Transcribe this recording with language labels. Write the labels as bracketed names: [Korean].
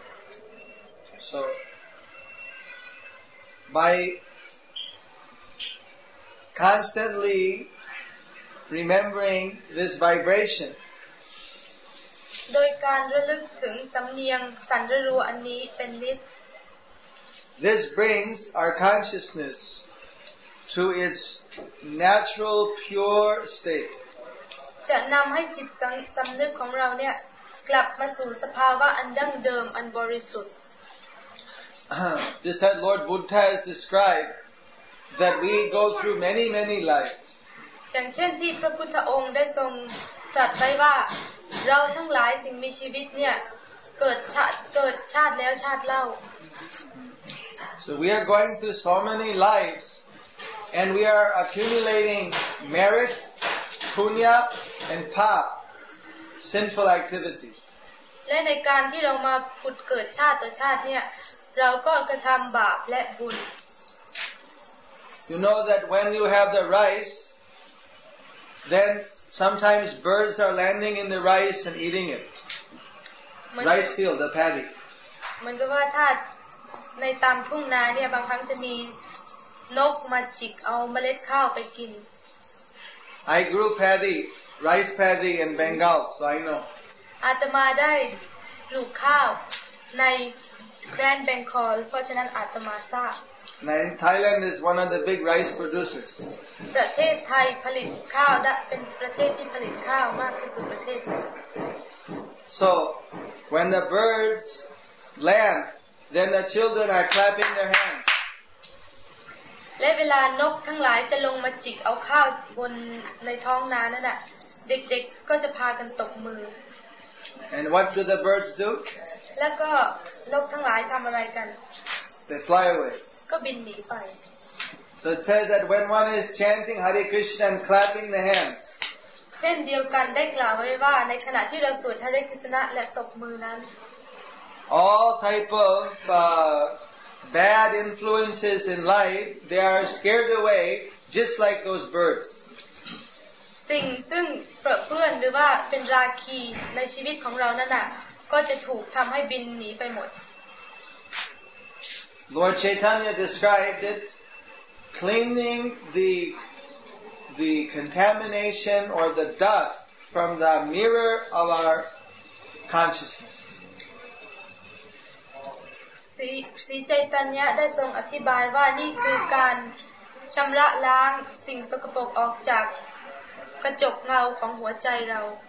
[English] So by constantly remembering this vibration [Thai] โดยการระลึกถึงสำเนียงสันรัวอันนี้เป็นนิด [English] This brings our consciousnessto its natural pure state [Thai] จะนำให้จิตสังสำนึกของเราเนี่ยกลับมาสู่สภาวะอันดั้งเดิมอันบริสุทธิ์ [English] Just that Lord Buddha has described that we go through many many lives [Thai] อย่างเช่นที่พระพุทธองค์ได้ทรงตรัสไว้ว่าเราทั้งหลายสิ่งมีชีวิตเนี่ยเกิดชาติแล้วชาติเล่า [English] So we are going through so many lives And we are accumulating merit, punya, and pap, sinful activities. [Thai] และในการที่เรามาผุดเกิดชาติต่อชาติเนี่ยเราก็กระทำบาปและบุญ [English] You know that when you have the rice, then sometimes birds are landing in the rice and eating it. Rice field, the paddy. [Thai] มันก็ว่าถ้าในตามทุ่งนาเนี่ยบางครั้งจะมีนกมาจิกเอาเมล็ดข้าวไปกิน [English] I grew paddy rice paddy in Bengal so I know [Thai] อาตมาได้ปลูกข้าวใน Grand Bengal เพราะฉะนั้นอาตมาทราบ [English] Now Thailand is one of the big rice producers [Thai] ประเทศไทยผลิตข้าวได้เป็นประเทศที่ผลิตข้าวมากที่สุดประเทศ [English] So when the birds land then the children are clapping their hands [Thai] และเวลานกทั้งหลายจะลงมาจิกเอาข้าวบนในท้องนานั่นน่ะเด็กๆก็จะพากันตบมือ [English] And what do the birds do? [Thai] แล้วก็นกทั้งหลายทำอะไรกัน [English] They fly away [Thai] ก็บินหนีไป [English] So it says that when one is chanting Hare Krishna and clapping the hands [Thai] เช่นเดียวกันได้กล่าวไว้ว่าในขณะที่เราสวดHare Krishnaและตบมือนั้น [English] All type ofBad influences in life, they are scared away, just like those birds. [Thai] สิ่งซึ่งเปื้อนหรือว่าเป็นราคีในชีวิตของเรานั่นน่ะก็จะถูกทำให้บินหนีไปหมด [English] Lord Chaitanya described it, cleaning the contamination or the dust from the mirror of our consciousness. [Thai] สีใจตัญญะได้ทรงอธิบายว่านี่คือการชำระล้างสิ่งสกปรกออกจากกระจกเงาของหัวใจเรา